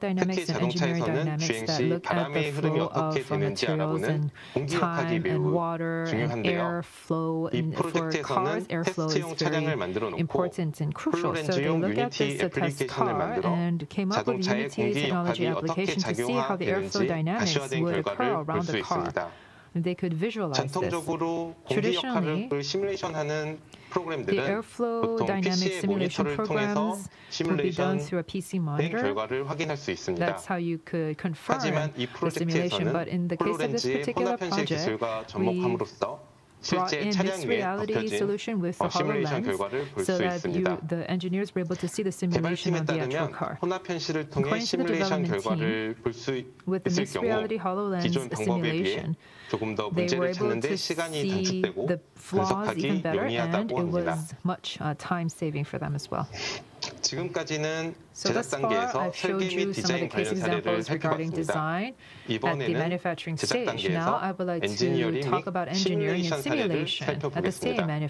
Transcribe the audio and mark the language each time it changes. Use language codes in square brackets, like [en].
[ko] 특히 자동차에서는 주행 시 바람의 흐름이 어떻게 되는지 알아보는 공기 역학이 매우 중요한데요. 이 프로젝트에서는 테스트용 차량을 만들어놓고 플로렌즈용 유니티 애플리케이션을 만들어 자동차의 공기 역학이 어떻게 작용하게 되는지 가시화된 결과를 볼 수 있습니다. [en] they could visualize this. Traditionally, the airflow dynamic simulation programs would be done through a PC monitor. That's how you could confirm the simulation. But in the case of this particular project, we brought in mixed reality solution with the HoloLens so that the engineers were able to see the simulation of the actual car. According to the development team, with the mixed reality HoloLens simulation, they were able to see the flaws even better, and it was much time-saving for them as well. [ko] 지금까지는 제작 단계에서 설계 및 디자인 관련 사례를 살펴봤습니다. 이번에는 제작 단계에서 엔지니어링 및 시뮬레이션 사례를 살펴보겠습니다.